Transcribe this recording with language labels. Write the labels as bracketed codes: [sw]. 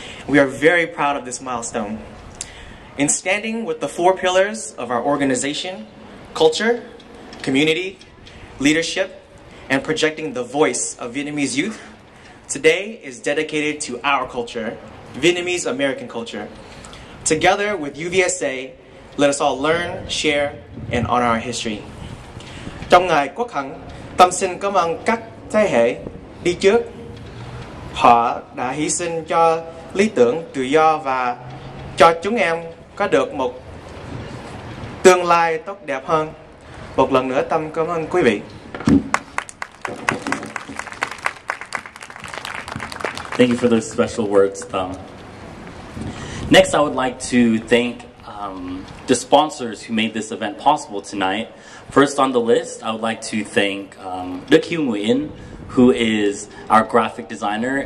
[en] We are very proud of this milestone. In standing with the four pillars of our organization, culture, community, leadership, and projecting the voice of Vietnamese youth, today is dedicated to our culture, Vietnamese American culture. Together with UVSA, let us all learn, share, and honor our history. [vi] Trong ngày quốc hạnh, tâm xin cảm ơn các thế hệ đi trước. Họ đã hy sinh cho lý tưởng tự do và cho chúng em có được một tương lai tốt đẹp hơn. Một lần nữa tâm cảm ơn quý vị. [en] Thank you for those special words, Tom. Next, I would like to thank the sponsors who made this event possible tonight. First on the list, I would like to thank Deuk Hyung-Win, who is our graphic designer.